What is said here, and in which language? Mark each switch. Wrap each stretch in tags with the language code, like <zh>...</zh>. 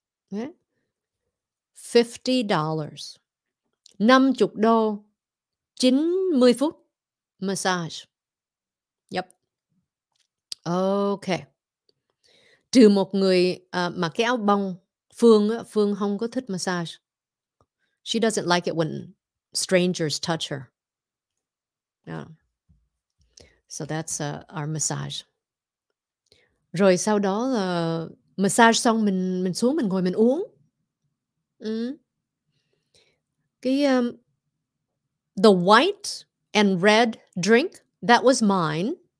<en>$50. $50.</en> <vi>90 phút massage. Yep. Okay. Trừ một người mặc cái áo bông. Phương không có thích massage.</vi> <en>She doesn't like it when strangers touch her. Yeah. So that's our massage.</en> <vi>Rồi sau đó là massage xong mình xuống mình ngồi mình uống. Ừ.</vi> <en>Cái the white and red drink that was mine.</en>